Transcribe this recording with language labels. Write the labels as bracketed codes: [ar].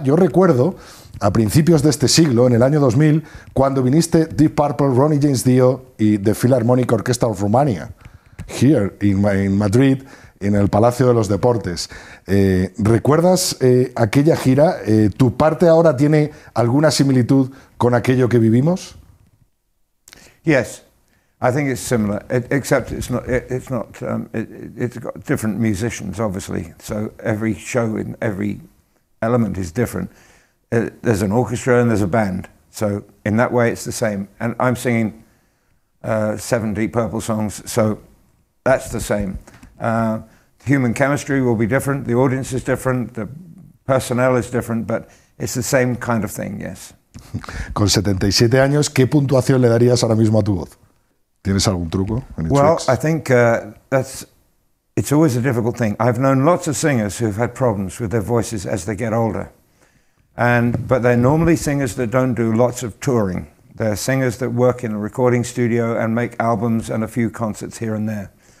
[es] Yo recuerdo a principios de este siglo, en el año 2000, cuando viniste Deep Purple, Ronnie James Dio y The Philharmonic Orchestra of Romania [en] here in Madrid, [es] en el Palacio de los Deportes. ¿Recuerdas aquella gira? ¿Tu parte ahora tiene alguna similitud con aquello que vivimos? [en] Yes, I think it's similar, except it's got different musicians, obviously. So every show in every element is different. There's an orchestra and there's a band. So in that way it's the same. And I'm singing 70 Purple songs, so that's the same. Human chemistry will be different, the audience is different, the personnel is different, but it's the same kind of thing, yes. [es] Con 77 años, ¿qué puntuación le darías ahora mismo a tu voz? ¿Tienes algún truco? [en] Well, tricks? I think it's always a difficult thing. I've known lots of singers who've had problems with their voices as they get older. But they're normally singers that don't do lots of touring. They're singers that work in a recording studio and make albums and a few concerts here and there.